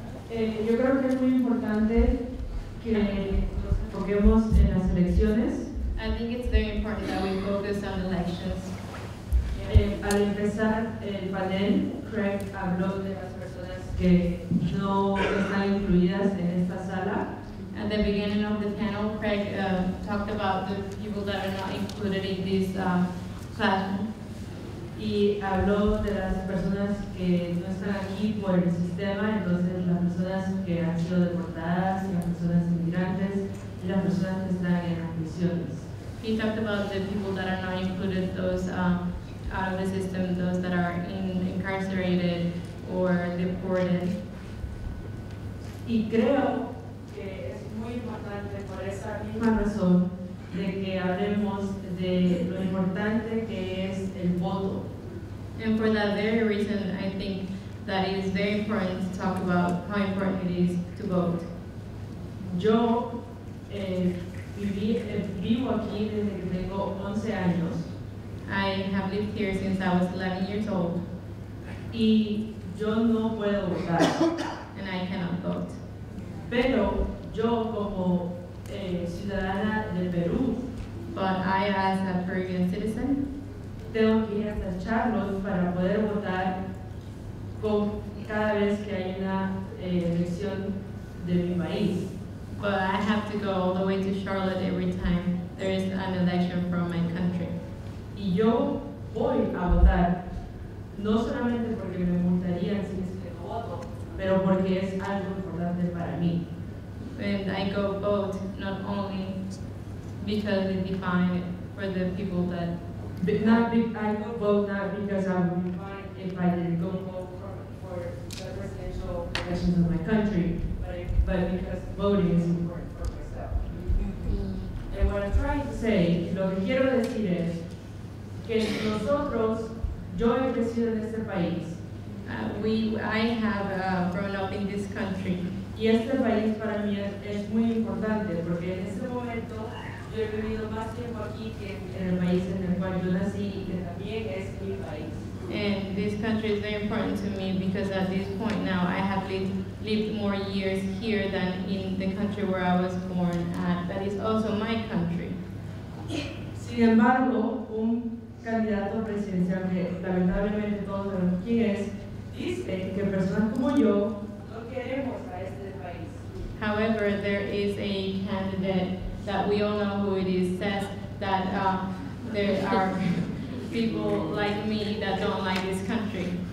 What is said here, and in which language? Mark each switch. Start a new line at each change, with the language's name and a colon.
Spanish: Yo creo que es muy importante que enfoquemos en las elecciones.
English: I think it's very important that we focus on elections.
Spanish: Al empezar el panel, Craig habló de las personas que no están incluidas en esta sala.
English: At the beginning of the panel, Craig talked about the people that are not included in this classroom.
Spanish: Y habló de las personas que no están aquí por el sistema, entonces las personas que han sido deportadas, y las personas inmigrantes, y las personas que están en las prisiones.
English: He talked about the people that are not included, those out of the system, those that are incarcerated or deported.
Spanish: Y creo que es muy importante por esa misma razón de que hablemos de lo importante que es el voto.
English: And for that very reason, I think that it is very important to talk about how important it is to vote.
Spanish: Yo vivo aquí desde que tengo 11 años.
English: I have lived here since I was 11 years old.
Spanish: Y yo no puedo votar.
English: And I cannot vote.
Spanish: Pero yo como ciudadana del Perú.
English: But I, as a Peruvian citizen,
Spanish: tengo que ir a estas charlas para poder votar cada vez que hay una elección de mi país.
English: But I have to go all the way to Charlotte every time there is an election from my country.
Spanish: Y yo voy a votar, no solamente porque me gustaría si es que voto, pero porque es algo importante para mí.
English: And I go vote not only because it's defined for the people that... But not be, I go vote not because I would be fine if I didn't go vote for the presidential elections of my country, but because voting is important for myself. Mm-hmm. And what I'm trying to say,
Spanish: lo que quiero decir es, que nosotros, yo he crecido en este país.
English: I have grown up in this country.
Spanish: Y este país para mí es muy importante, porque en este momento yo he vivido más tiempo aquí que en el país en el cual yo nací y que también es mi país.
English: And this country is very important to me because at this point now I have lived more years here than in the country where I was born at. That is also my country.
Spanish: Sin embargo, un candidato presidencial que lamentablemente todos sabemos quién es, dice que personas como yo no queremos a este país.
English: However, there is a candidate that we all know who it is, says that there are people like me that don't like this country.